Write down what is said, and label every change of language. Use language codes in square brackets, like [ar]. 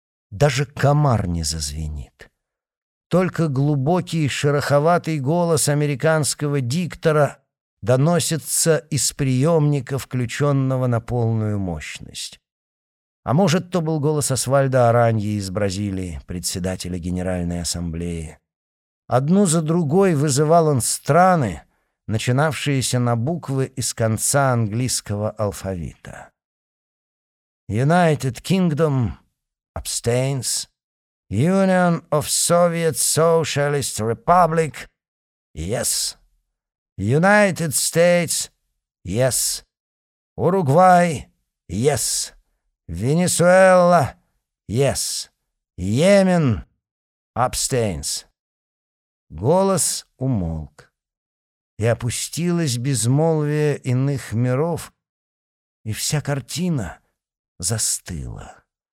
[ru] Даже комар не зазвенит. Только глубокий шероховатый голос американского диктора доносится из приемника, включенного на полную мощность. А может, то был голос Освальдо Араньи из Бразилии, председателя Генеральной Ассамблеи. Одну за другой вызывал он страны, начинавшиеся на буквы из конца английского алфавита. [en] United Kingdom, abstains, Union of Soviet Socialist Republic, yes. United States, yes. Уругвай, yes. Венесуэла — yes. Йемен — abstains. [ru] Голос умолк. И опустилось безмолвие иных миров, и вся картина застыла.